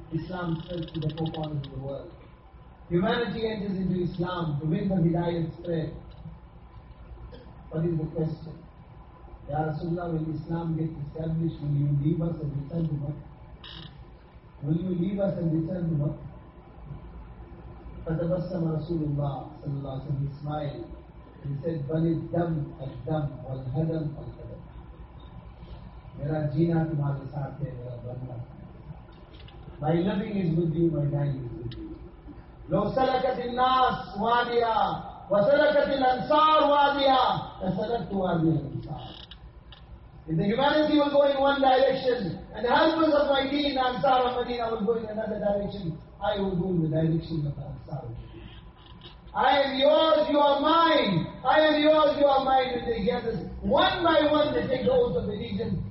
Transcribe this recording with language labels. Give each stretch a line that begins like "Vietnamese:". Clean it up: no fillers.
English: Islam spreads to the four corners of the world. Humanity enters into Islam, the wind of hidayat spread. What is the question? Ya Rasulullah, will Islam get established? Will you leave us and return to Makkah? Will you leave us and return to Makkah?
Arabic: فَتَبَسَّمَ رَسُولُ اللَّهِ صلى الله عليه وسلم
English: he smiled. He said,
Arabic: بَلِ الدَّمْ الدَّمْ وَالْهَدَمْ وَالْهَدَمْ
Urdu: میرا جینا تمہارے ساتھ ہے میرا بننا
English: My living is with you, my dying is with you.
Arabic: لو سلكت الناس واديا وسلكت الانصار واديا لسلكت وادي الانصار.
English: If the humanity will go in one direction and the helpers of my deen, Ansar of Medina, will go in another direction, I will go in the direction of Ansar. I am yours, you are mine. I am yours, you are mine. And they gather one by one, they take the oath of allegiance.